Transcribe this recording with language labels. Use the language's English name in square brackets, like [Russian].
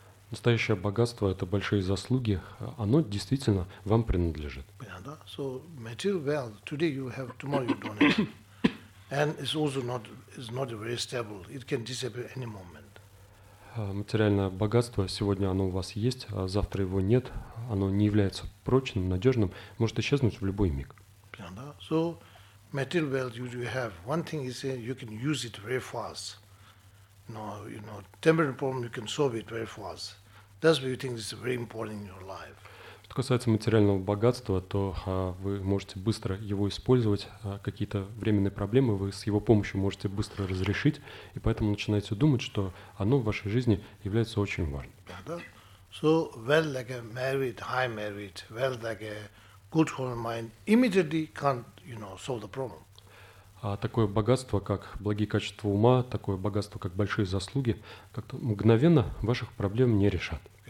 [Russian] Настоящее богатство – это большие заслуги. Оно действительно вам принадлежит. Понятно? [English] So material wealth. Today you have, tomorrow you don't have. And it's also not, it's not very stable. It can disappear any moment. [Russian] Материальное богатство, сегодня оно у вас есть, а завтра его нет, оно не является прочным, надежным, может исчезнуть в любой миг. [English] So, material wealth you have, one thing is you can use it very fast. No, you know, temporary problem you can solve it very fast. That's why you think this is very important in your life. [Russian] Что касается материального богатства, то вы можете быстро его использовать, какие-то временные проблемы вы с его помощью можете быстро разрешить, и поэтому начинаете думать, что оно в вашей жизни является очень важным. [English] So wealth like a high merit, wealth like a good home mind immediately can't, you know, solve the problem. [Russian] А такое богатство, как благие качества ума, такое богатство, как большие заслуги, как-то мгновенно ваших проблем не решат.